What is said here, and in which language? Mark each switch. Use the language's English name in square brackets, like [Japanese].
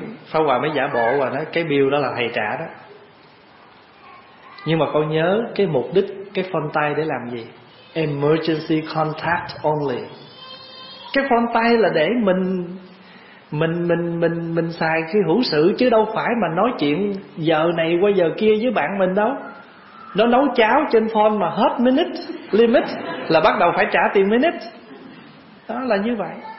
[Vietnamese] Pháp Hòa mới giả bộ và nói cái bill đó là thầy trả đó. Nhưng mà con nhớ cái mục đích cái phone tay để làm gì? [English] Emergency contact only. [Vietnamese] Cái phone tay là để mình xài khi hữu sự, chứ đâu phải mà nói chuyện giờ này qua giờ kia với bạn mình đâu. Nó nấu cháo trên phone mà hết minute limit là bắt đầu phải trả tiền minute. Đó là như vậy.